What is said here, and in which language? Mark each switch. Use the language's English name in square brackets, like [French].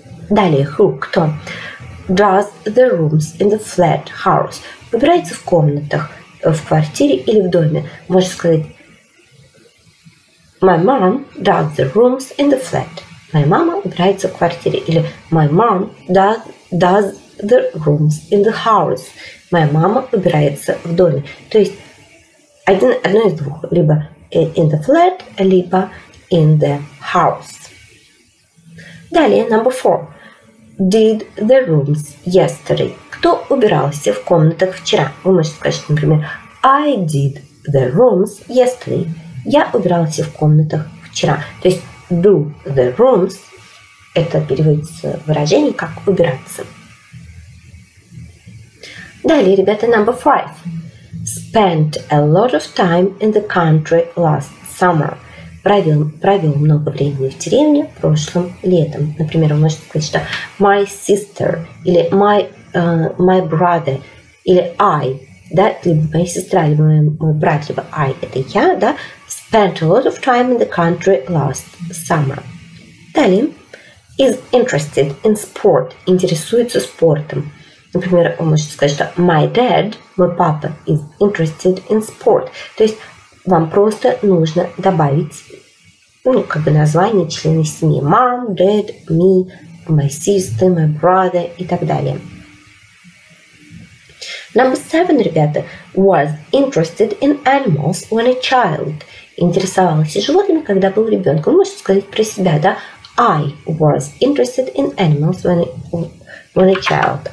[Russian] Далее, [English] who, [Russian] кто? [English] Does the rooms in the flat house. [Russian] Убирается в комнатах, в квартире или в доме. Можешь сказать, [English] my mom does the rooms in the flat. [Russian] Моя мама убирается в квартире. Или [English] my mom does the rooms in the house. [Russian] Моя мама убирается в доме. То есть, одно из двух. Либо [English] in the flat, [Russian] либо [English] in the house. [Russian] Далее, [English] number four. Did the rooms yesterday. [Russian] Кто убирался в комнатах вчера? Вы можете сказать, например, [English] I did the rooms yesterday. [Russian] Я убирался в комнатах вчера. То есть do the rooms, это переводится в выражение как убираться. Далее, ребята, [English] number five. Spent a lot of time in the country last summer. [Russian] Провел много времени в деревне прошлым летом. Например, вы можете сказать, что [English] my sister, [Russian] или [English] my brother, [Russian] или I, да, либо моя сестра, либо мой брат, либо I, это я, да, [English] spent a lot of time in the country last summer. [Russian] Далее, [English] is interested in sport, [Russian] интересуется спортом. Например, вы можете сказать, что [English] my dad, [Russian] мой папа, [English] is interested in sport. [Russian] То есть вам просто нужно добавить, ну, как бы название члена семьи. [English] Mom, dad, me, my sister, my brother [Russian] и так далее. [English] Number seven, [Russian] ребята, [English] was interested in animals when a child. [Russian] Интересовался животными, когда был ребенком. Вы можете сказать про себя, да? [English] I was interested in animals when a child.